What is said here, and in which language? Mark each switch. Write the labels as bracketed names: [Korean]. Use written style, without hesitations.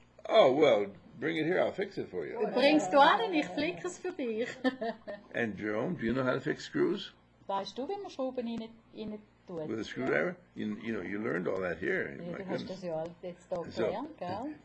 [English] Oh, well, bring it here, I'll fix it for you. [German] Bringst du an und ich flicke es für dich. [English] And Jerome, do you know how to fix screws? [German] Weißt du, wie man Schrauben rein tut? [English] With a screwdriver? You learned all that here. [German] Ja, du hast das ja jetzt hier gelernt, gell?